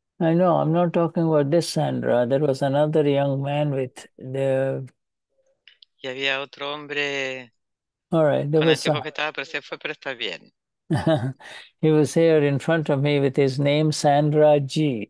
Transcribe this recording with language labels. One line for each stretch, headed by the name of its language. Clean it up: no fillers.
English: I know, I'm not talking about this Sandra. There was another young man with the...
Spanish: Y había otro hombre.
English: All right, there was some...
Spanish: que estaba, pero se fue, pero está bien.
English: He was here in front of me with his name Sandra G.